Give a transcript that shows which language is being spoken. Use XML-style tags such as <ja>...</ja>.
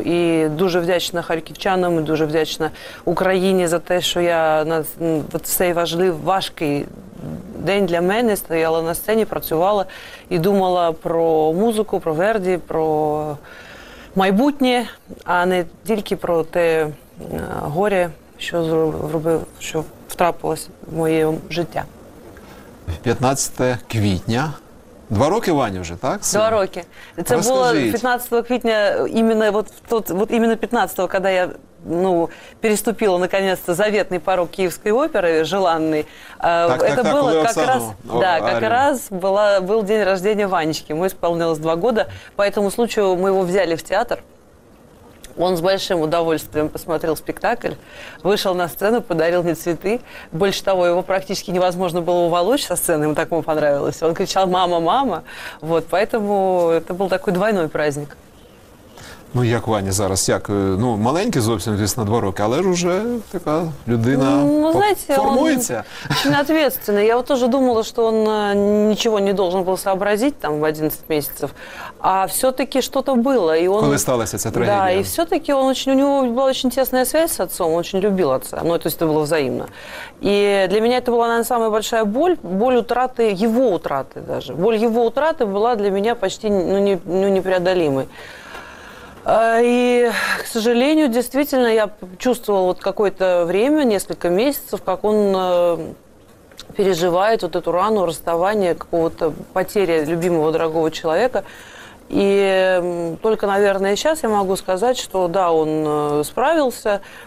<uk>І дуже вдячна харківчанам, дуже вдячна Україні за те, що я на цей важкий день для мене стояла на сцені, працювала і думала про музику, про Верді, про майбутнє, а не тільки про те горе, що зробив, що трапилось в моє життя. 15 квітня. Два роки Вані вже, так? Два роки. Це було 15 квітня, іменно 15-го, коли я переступила наконец-то заветний порог Київської опери, желанный.</uk> <ru>Это было как раз, да, как раз был день рождения Ванечки. Ему исполнилось 2 года. По этому случаю мы его взяли в театр. Он с большим удовольствием посмотрел спектакль, вышел на сцену, подарил мне цветы. Больше того, его практически невозможно было уволочь со сцены, ему так ему понравилось. Он кричал «мама, мама». Вот, поэтому это был такой двойной праздник.</ru> <uk>Ну, як Ваня зараз? Як? Ну, маленький зовсім, звісно, 2 роки, але ж уже така людина формується. Він відповідальний. Я теж думала, що він нічого не повинен був зрозуміти там в 11 місяців, а все-таки щось було. Коли сталася ця трагедія? Так, і все-таки у нього була дуже тісна зв'язка з отцом, він дуже любив отця, тобто це було взаємно. І для мене це була, мабуть, найбільша боль втрати, його втрати навіть. Боль його втрати була для мене майже непреодолимою.</uk> <ru>И, к сожалению, действительно, я чувствовала какое-то время, несколько месяцев, как он переживает эту рану расставания, какого-то потери любимого дорогого человека. И только, наверное, сейчас я могу сказать, что да, он справился.</ru>